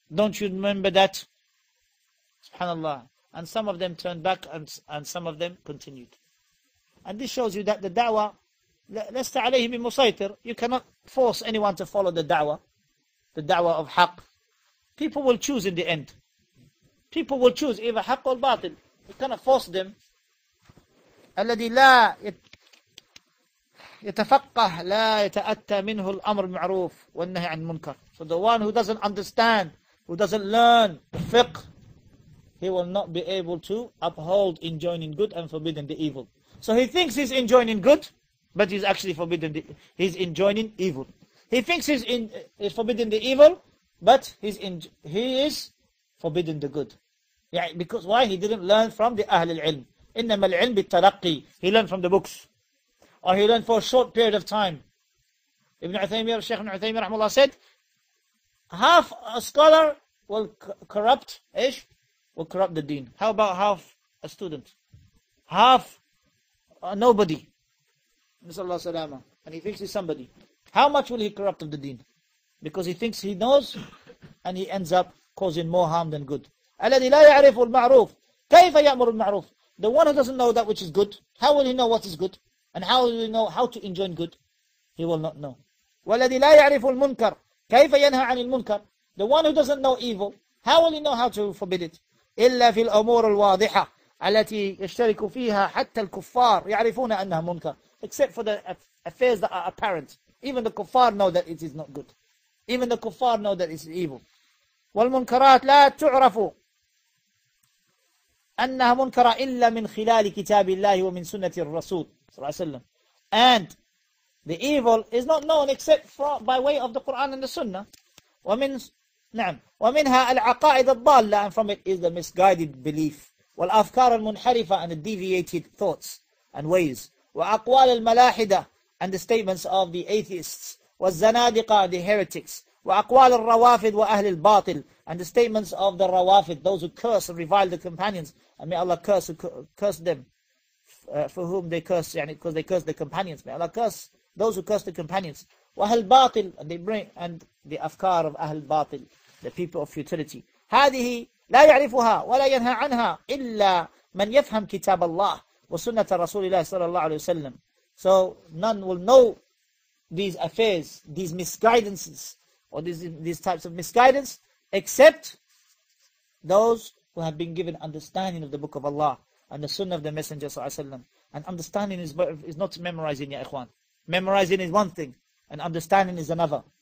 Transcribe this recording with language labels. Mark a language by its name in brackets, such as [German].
[English] Don't you remember that? SubhanAllah. And some of them turned back and some of them continued. And this shows you that the da'wah, [Arabic] لَسْتَ عَلَيْهِ مِنْ مُسَيْطِرِ. [English] You cannot force anyone to follow the da'wah of haq. People will choose in the end. People will choose either haq or batil. You cannot force them. [Arabic] الَّذِي لَا يتفقه لا يتأتى منه الأمر المعروف والنهي عن المنكر. [English] So the one who doesn't understand, who doesn't learn the fiqh, he will not be able to uphold enjoining good and forbidding the evil. So he thinks he's enjoining good, but he's actually forbidding he's enjoining evil. He thinks he's forbidding the evil, but he is forbidding the good. Yeah, because why? He didn't learn from the Ahl al-Ilm. [Arabic] إِنَّمَا الْعِلْمِ بِالتَّلَقِّي. [English] He learned from the books. Or he learned for a short period of time. Ibn Uthaymeer, Shaykh Ibn Uthaymeer, rahmullah, said, half a scholar will corrupt, will corrupt the deen. How about half a student? Half a nobody. Nasallahu alayhi wa sallam. And he thinks he's somebody. How much will he corrupt of the deen? Because he thinks he knows, and he ends up causing more harm than good. [Arabic] الذي لا يعرف المعروف كيف يأمر بالمعروف. [English] The one who doesn't know that which is good, how will he know what is good? And how will he know how to enjoin good? He will not know. [Arabic] والذي لا يعرف المنكر كيف ينهى عن المنكر. [English] The one who doesn't know evil, how will he know how to forbid it? [Arabic] إلا في الأمور الواضحة التي يشترك فيها حتى الكفار يعرفون أنها منكر. [English] Except for the affairs that are apparent, even the kuffar know that it is not good. Even the kuffar know that it is evil. [Arabic] والمنكرات لا تعرف أنها منكرة إلا من خلال كتاب الله ومن سنة الرسول صلى الله عليه وسلم. [English] And the evil is not known except for, by way of the Quran and the Sunnah. [Arabic] ومن نعم ومنها العقائد الضالة. [English] And from it is the misguided belief. [Arabic] والأفكار المنحرفة [English] and the deviated thoughts and ways. [Arabic] وأقوال الملاحدة [English] and the statements of the atheists. [Arabic] والزنادقة [English] the heretics. [Arabic] وأقوال الروافد وأهل الباطل [English] and the statements of the روافد, those who curse and revile the companions, and may Allah curse them for whom they curse, يعني because they curse the companions. May Allah curse those who curse the companions. [Arabic] وأهل الباطل [English] and they bring and the أفكار of [Arabic] أهل الباطل, [English] the people of futility. [Arabic] هذه لا يعرفها ولا ينهى عنها إلا من يفهم كتاب الله وسنة رسول الله صلى الله عليه وسلم. [English] So none will know these affairs, these misguidances, or these types of misguidance, except those who have been given understanding of the Book of Allah and the Sunnah of the Messenger sallallahu alaihi wasallam. And understanding is not memorizing, ya ikhwan. Memorizing is one thing, and understanding is another.